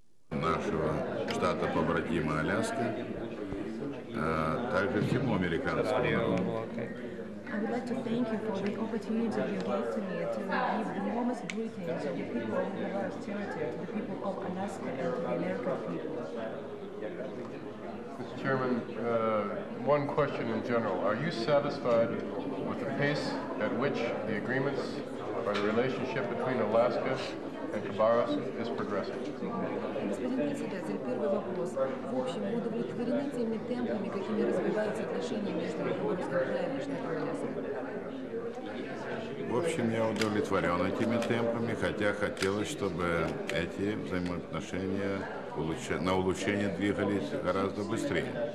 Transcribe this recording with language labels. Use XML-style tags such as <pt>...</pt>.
<ru>Нашего штата побратима Аляска, также всему американскому.</ru> <en>I would like to thank you for the opportunity you gave to me to give enormous greetings to the people of the Alaska territory, to the people of Alaska and to the American people. Mr. Chairman, one question in general. Are you satisfied with the pace at which the agreements or the relationship between Alaska and Khabarovsk is progressing?</en> <ru>Господин председатель, первый вопрос. В общем, вы удовлетворены теми темпами, какими развиваются отношения между Хабаровском краем и штатом Аляска? В общем, я удовлетворен этими темпами, хотя хотелось, чтобы эти взаимоотношения на улучшение двигались гораздо быстрее.</ru>